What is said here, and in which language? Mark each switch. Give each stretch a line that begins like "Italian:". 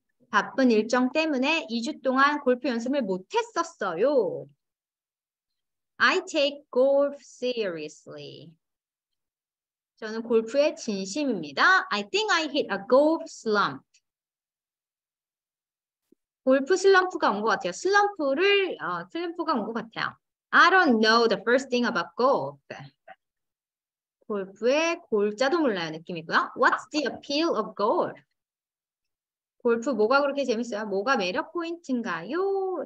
Korean: 바쁜 일정 때문에 2주 동안 골프 연습을 못 했었어요.
English: I take golf seriously.
Korean: 저는 골프에 진심입니다.
English: I think I hit a golf slump.
Korean: 골프 슬럼프가 온 것 같아요. 슬럼프가 온 것 같아요.
English: I don't know the first thing about golf.
Korean: 골프의 골자도 몰라요 느낌이고요.
English: What's the appeal of golf?
Korean: 골프 뭐가 그렇게 재밌어요? 뭐가 매력 포인트인가요?